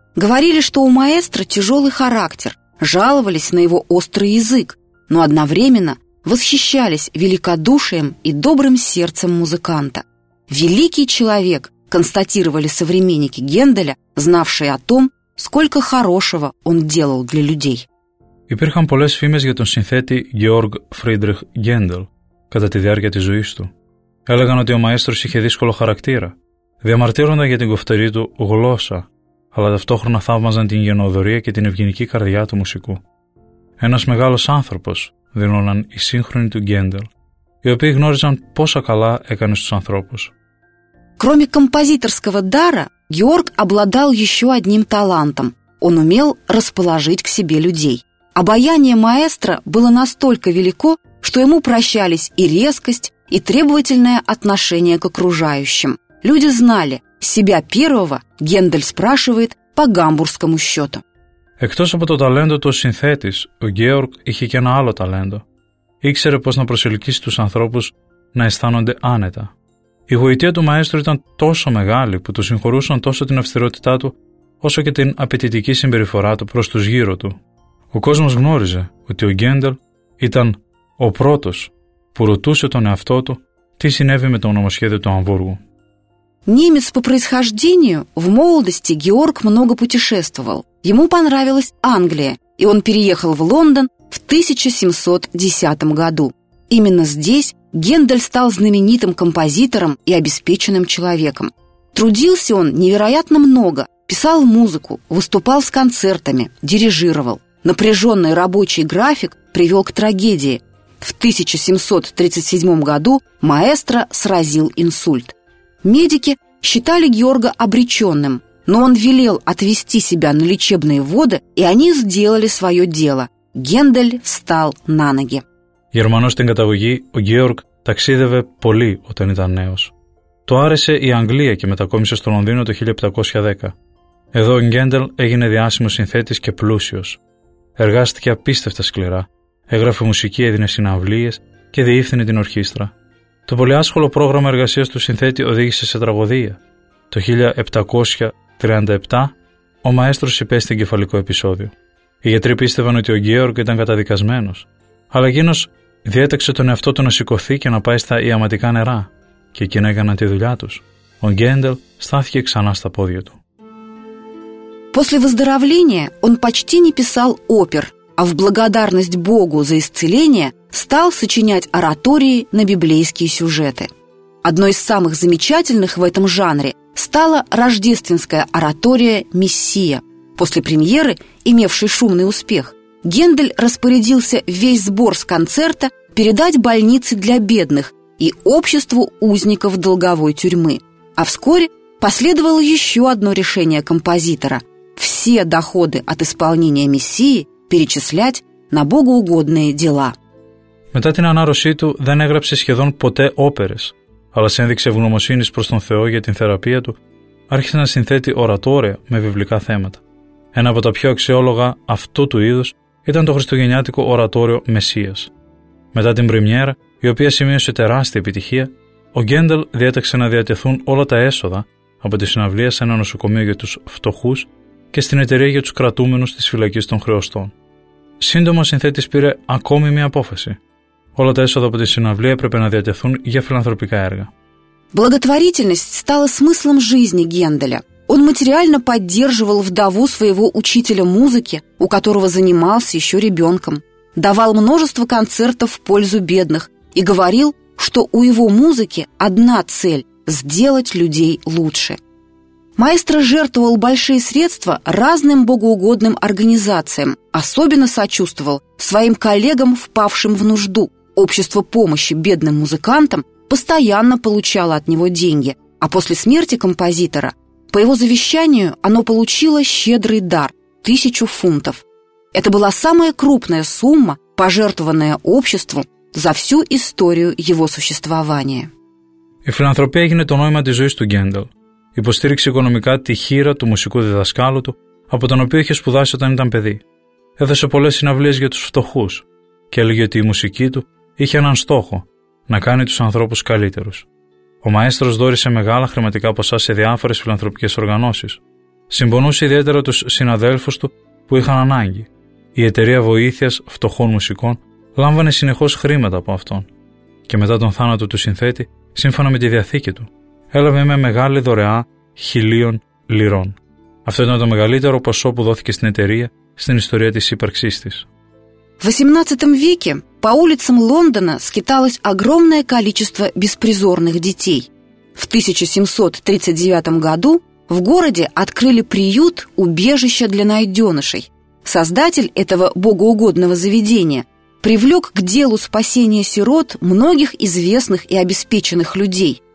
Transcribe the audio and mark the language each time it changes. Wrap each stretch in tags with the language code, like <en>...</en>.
<ru>Говорили, что у маэстро тяжелый характер, жаловались на его острый язык, но одновременно восхищались великодушием и добрым сердцем музыканта. Великий человек, констатировали современники Генделя, знавшие о том, сколько хорошего он делал для людей.</ru> <el>Υπήρχαν πολλές φήμες για τον συνθέτη Γιώργ Φρίντριχ Γκέντελ κατά τη διάρκεια της ζωής του. Έλεγαν ότι ο μαέστρος είχε δύσκολο χαρακτήρα. Διαμαρτύρονταν για την κοφτερή του γλώσσα, αλλά ταυτόχρονα θαύμαζαν την γενναιοδωρία και την ευγενική καρδιά του μουσικού. Ένας μεγάλος άνθρωπος, δήλωναν οι σύγχρονοι του Γκέντελ, οι οποίοι γνώριζαν πόσα καλά έκανε στους ανθρώπους.</el> <ru>Кроме композиторского дара, Георг обладал еще одним талантом. Он умел расположить к себе людей. Обаяние маэстро было настолько велико, что ему прощались и резкость, и требовательное отношение к окружающим. Люди знали, себя первого Гендель спрашивает по гамбургскому счету.</ru> <el>Εκτός από το ταλέντο του συνθέτης, ο Георг είχε και ένα άλλο ταλέντο. Ήξερε πώς να προσελκύσει τους ανθρώπους να αισθάνονται άνετα. Η γοητεία του μαέστρου ήταν τόσο μεγάλη που του συγχωρούσαν τόσο την αυστηρότητά του όσο και την απαιτητική συμπεριφορά του προς τους γύρω του. Ο κόσμος γνώριζε ότι ο Γκέντελ ήταν ο πρώτος που ρωτούσε τον εαυτό του τι συνέβη με το νομοσχέδιο του Αμβούργου.</el> <ru>Немец по происхождению, в молодости Георг много путешествовал. Ему понравилась Англия, и он переехал в Лондон в 1710 году. Именно здесь Гендель стал знаменитым композитором и обеспеченным человеком. Трудился он невероятно много, писал музыку, выступал с концертами, дирижировал. Напряженный рабочий график привел к трагедии. В 1737 году маэстро сразил инсульт. Медики считали Георга обреченным, но он велел отвезти себя на лечебные воды, и они сделали свое дело. Гендель встал на ноги.</ru> <el>Германос την каталогή, ο Георг ταξίδευε πολύ όταν ήταν νέος. Το άρεσε η Αγγλία και μετακόμισε στο Λονδίνο το 1710. Εδώ ο Γκέντελ έγινε διάσημος συνθέτης και πλούσιος. Εργάστηκε απίστευτα σκληρά, έγραφε μουσική, έδινε συναυλίες και διεύθυνε την ορχήστρα. Το πολυάσχολο πρόγραμμα εργασίας του συνθέτη οδήγησε σε τραγωδία. Το 1737 ο μαέστρος υπέστη εγκεφαλικό επεισόδιο. Οι γιατροί πίστευαν ότι ο Γκέοργ ήταν καταδικασμένος, αλλά εκείνος διέταξε τον εαυτό του να σηκωθεί και να πάει στα ιαματικά νερά και εκείνα έκαναν τη δουλειά τους. Ο Γκέντελ στάθηκε ξανά στα πόδια του.</el> <ru>После выздоровления он почти не писал опер, а в благодарность Богу за исцеление стал сочинять оратории на библейские сюжеты. Одной из самых замечательных в этом жанре стала рождественская оратория «Мессия». После премьеры, имевшей шумный успех, Гендель распорядился весь сбор с концерта передать больнице для бедных и обществу узников долговой тюрьмы. А вскоре последовало еще одно решение композитора – все доходы от исполнения «Мессии» перечислять на богоугодные дела.</ru> <el>Μετά την ανάρρωσή του δεν έγραψε σχεδόν ποτέ όπερες, αλλά σε ένδειξη ευγνωμοσύνης προς τον Θεό για την θεραπεία του, άρχισε να συνθέτει ορατόρια με βιβλικά θέματα. Ένα από τα πιο αξιόλογα αυτού του είδους ήταν το χριστουγεννιάτικο ορατόριο «Μεσσίας». Μετά την πρεμιέρα, η οποία σημείωσε τεράστια επιτυχία, ο Γκέντελ διέταξε να διατεθούν όλα τα έσοδα από τη συναυλία σε ένα νοσοκομείο για τους φτωχούς και στην εταιρεία για τους κρατούμενους της φυλακής των χρεωστών. Σύντομα, ο συνθέτης πήρε ακόμη μία απόφαση. Όλα τα έσοδα από τη συναυλία έπρεπε να διατεθούν για φιλανθρωπικά έργα.</el> <ru>Благотворительность стала смыслом жизни Генделя. Он материально поддерживал вдову своего учителя музыки, у которого занимался еще ребенком, давал множество концертов в пользу бедных и говорил, что у его музыки одна цель – сделать людей лучше. Маэстро жертвовал большие средства разным богоугодным организациям, особенно сочувствовал своим коллегам, впавшим в нужду. Общество помощи бедным музыкантам постоянно получало от него деньги, а после смерти композитора, по его завещанию, оно получило щедрый дар – 1000 фунтов. Это была самая крупная сумма, пожертвованная обществу за всю историю его существования.</ru> <el>Η φιλανθρωπία έγινε το νόημα της ζωής του Γκέντελ. Υποστήριξε οικονομικά τη χείρα του μουσικού διδασκάλου του, από τον οποίο είχε σπουδάσει όταν ήταν παιδί. Έδωσε πολλές συναυλίες για τους φτωχούς και έλεγε ότι η μουσική του είχε έναν στόχο – να κάνει τους ανθρώπους καλύτερους. Ο μαέστρος δώρησε μεγάλα χρηματικά ποσά σε διάφορες φιλανθρωπικές οργανώσεις. Συμπονούσε ιδιαίτερα τους συναδέλφους του που είχαν ανάγκη. Η Εταιρεία Βοήθειας Φτωχών Μουσικών λάμβανε συνεχώς χρήματα από αυτόν. Και μετά τον θάνατο του συνθέτη, σύμφωνα με τη διαθήκη του, έλαβε μια μεγάλη δωρεά 1000 λιρών. Αυτό ήταν το μεγαλύτερο ποσό που δόθηκε στην εταιρεία στην ιστορία της ύπαρξής της.</el> <ru>В 18 веке по улицам Лондона скиталось огромное количество беспризорных детей. В 1739 году в городе открыли приют «Убежище для найденышей». Создатель этого богоугодного заведения привлек к делу спасения сирот многих известных и обеспеченных людей.</ru>